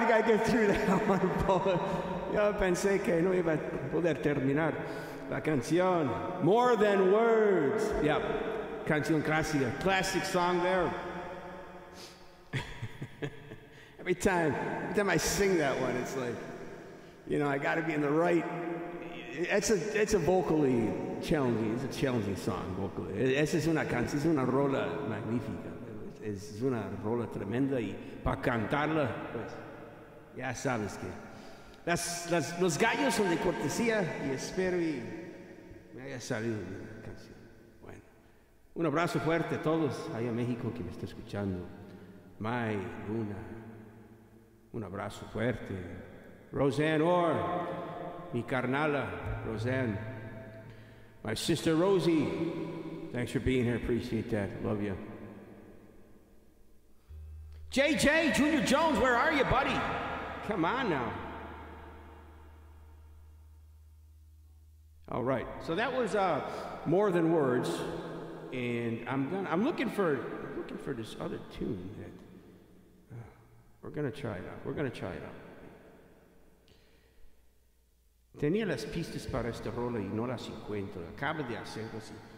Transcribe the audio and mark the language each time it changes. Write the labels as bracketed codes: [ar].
[en] get through that one, Paul. [es] Yo pensé que no iba a poder terminar la canción. [en] More Than Words. Yep. [es] Canción clásica. [en] Classic song there. Every time I sing that one, it's like, you know, I got to be in the right. It's a vocally challenging. It's a challenging song vocally. [es] Esa es una canción. Es una rola magnífica. Es una rola tremenda. Y para cantarla, pues, ya sabes que. Los gallos son de cortesía y espero y me haya salido de la canción. Bueno, un abrazo fuerte a todos allá en México que me está escuchando. May Luna, un abrazo fuerte. Roseanne Orr, mi carnala, Roseanne. [en] My sister Rosie, thanks for being here, appreciate that, love you. JJ, Junior Jones, where are you, buddy? Come on now. All right, so that was More Than Words, and I'm looking for this other tune that we're gonna try it out. [es] Tenía las pistas para esta rola y no las encuentro. Acaba de hacerlo así.